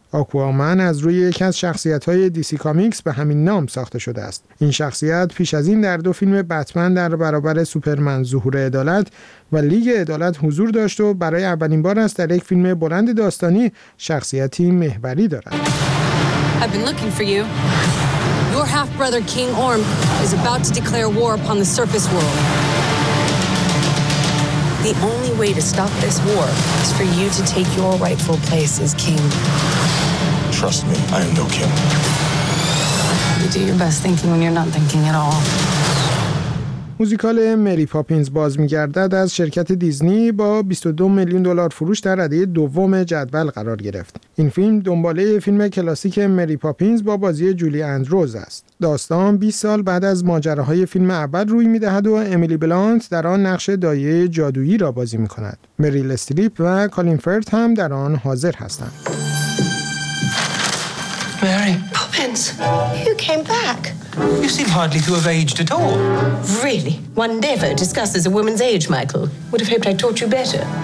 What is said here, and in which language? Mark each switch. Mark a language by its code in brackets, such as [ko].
[fa] آکوامن از روی یکی از شخصیت‌های دی‌سی کامیکس به همین نام ساخته شده است. این شخصیت پیش از این در دو فیلم بتمن در برابر سوپرمن ظهور عدالت و لیگ عدالت حضور داشت و برای اولین بار است در یک فیلم بلند داستانی شخصیتی محوری دارد. [en] I've been looking for you. Your half-brother King Orm is about to declare war upon the surface world. The only way to stop this war is for you to take your rightful place as king. Trust me, I am no king. You do your best thinking when you're not thinking at all. [fa] موزیکال مری پاپینز باز می‌گردد از شرکت دیزنی با 22 میلیون دلار فروش در رده دوم جدول قرار گرفت. این فیلم دنباله فیلم کلاسیک مری پاپینز با بازی جولی اندروز است. داستان 20 سال بعد از ماجراهای فیلم اول روی می‌دهد و امیلی بلانت در آن نقش دایه جادویی را بازی می‌کند. مریل استریپ و کالین فرت هم در آن حاضر هستند. [en] Mary Poppins, you came back. You seem hardly to have aged at all. Really? One never discusses a woman's age, Michael. Would have hoped I'd taught you better.